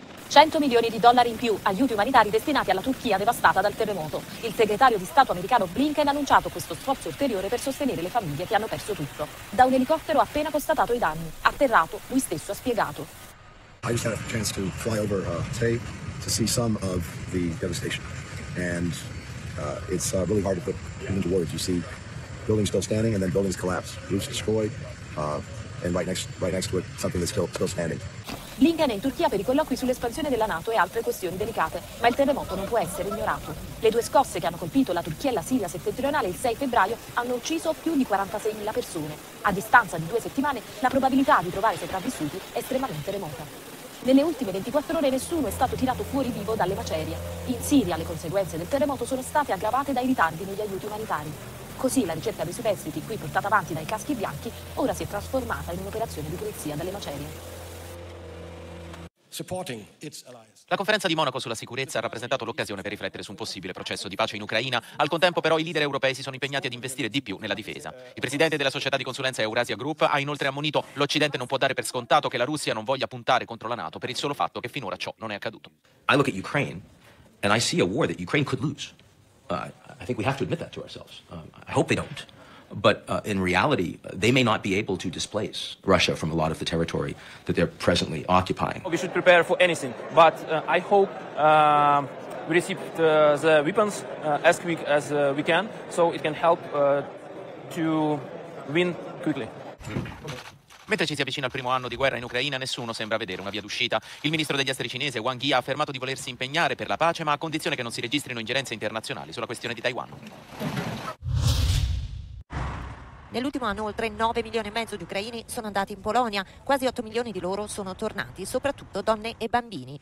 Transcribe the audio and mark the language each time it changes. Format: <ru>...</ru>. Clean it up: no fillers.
<it>$100 milioni in più, aiuti umanitari destinati alla Turchia devastata dal terremoto. Il segretario di Stato americano Blinken ha annunciato questo sforzo ulteriore per sostenere le famiglie che hanno perso tutto. Da un elicottero appena constatato i danni, atterrato, lui stesso ha spiegato.</it> <en>I just had a chance to fly over today to see some of the devastation. and it's really hard to put into words. You see buildings still standing and then buildings collapse, roofs destroyed, and right next to it, something that's still standing.</en> <it>Lingen è in Turchia per i colloqui sull'espansione della NATO e altre questioni delicate, ma il terremoto non può essere ignorato. Le due scosse che hanno colpito la Turchia e la Siria settentrionale il 6 febbraio hanno ucciso più di 46.000 persone. A distanza di due settimane, la probabilità di trovare sopravvissuti è estremamente remota. Nelle ultime 24 ore nessuno è stato tirato fuori vivo dalle macerie. In Siria le conseguenze del terremoto sono state aggravate dai ritardi negli aiuti umanitari. Così la ricerca dei superstiti, qui portata avanti dai caschi bianchi, ora si è trasformata in un'operazione di pulizia dalle macerie. La conferenza di Monaco sulla sicurezza ha rappresentato l'occasione per riflettere su un possibile processo di pace in Ucraina. Al contempo però i leader europei si sono impegnati ad investire di più nella difesa. Il presidente della società di consulenza Eurasia Group ha inoltre ammonito: l'Occidente non può dare per scontato che la Russia non voglia puntare contro la NATO per il solo fatto che finora ciò non è accaduto.</it> <en>I look at Ukraine and I see a war that Ukraine could lose. I think we have to admit that to ourselves. I hope they don't. But in reality, they may not be able to displace Russia from a lot of the territory that they're presently occupying. We should prepare for anything, but I hope we receive the weapons as quick as we can, so it can help to win quickly.</en> <it>Mentre ci si avvicina al primo anno di guerra in Ucraina, nessuno sembra vedere una via d'uscita. Il ministro degli esteri cinese Wang Yi ha affermato di volersi impegnare per la pace, ma a condizione che non si registrino ingerenze internazionali sulla questione di Taiwan. Nell'ultimo anno oltre 9 milioni e mezzo di ucraini sono andati in Polonia, quasi 8 milioni di loro sono tornati, soprattutto donne e bambini.</it>